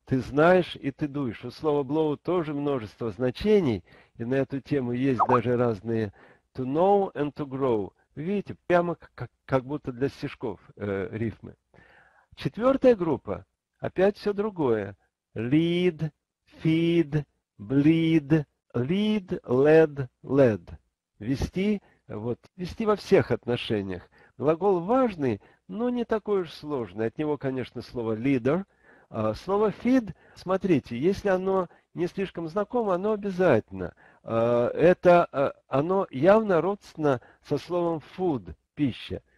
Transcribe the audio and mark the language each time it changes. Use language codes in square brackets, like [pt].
[ru] Ты знаешь и ты дуешь. У слова blow тоже множество значений. И на эту тему есть даже разные. [en] To know and to grow. [ru] Видите, прямо как будто для стишков рифмы. Четвертая группа. Опять все другое. [en] Lead, feed, bleed, lead, led, led. [ru] Вести, вот, вести во всех отношениях. Глагол важный, но не такой уж сложный. От него, конечно, слово leader. Слово feed, смотрите, если оно не слишком знакомо, оно обязательно. Это оно явно родственно со словом food, пища.